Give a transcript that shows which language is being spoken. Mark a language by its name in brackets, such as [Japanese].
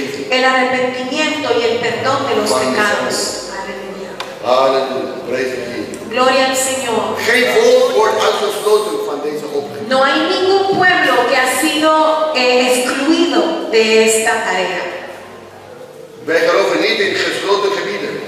[Spanish] El arrepentimiento y el perdón de los pecados. Aleluya. Gloria al Señor. [Dutch] Geen volk wordt uitgesloten van deze opdracht. [Spanish] No hay ningún pueblo que ha sido excluido de esta tarea. [Dutch] Wij geloven niet in gesloten gebieden.